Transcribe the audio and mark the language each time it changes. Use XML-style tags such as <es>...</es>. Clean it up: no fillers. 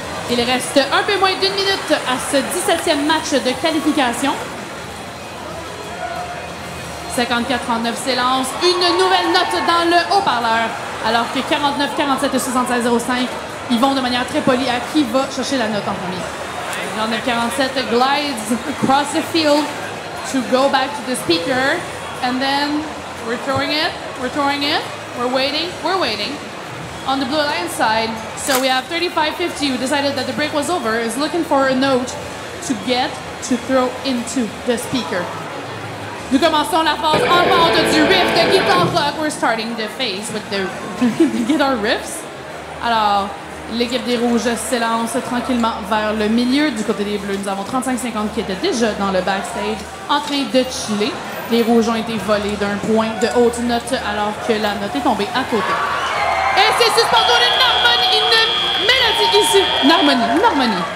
<fr>Il reste un peu moins d'une minute à ce 17e match de qualification. 54-39 s'élance une nouvelle note dans le haut-parleur. Alors que 49-47-76-05, ils vont de manière très polie à qui va chercher la note en premier.</fr> <en>49-47 glides across the field to go back to the speaker. And then we're throwing it. We're waiting. On the blue line side, so we have 35-50, who decided that the break was over, is looking for a note to get to throw into the speaker.</en> <fr>Nous commençons la phase en vente du riff de guitar rock.</fr> <en>We're starting the phase with the guitar riffs.</en> <fr>Alors, l'équipe des rouges s'élance tranquillement vers le milieu. Du côté des bleus, nous avons 35-50 qui était déjà dans le backstage en train de chiller. Les rouges ont été volés d'un point de haute note alors que la note est tombée à côté. Et c'est suspendu une harmonie, une mélodie ici. Une harmonie.</fr>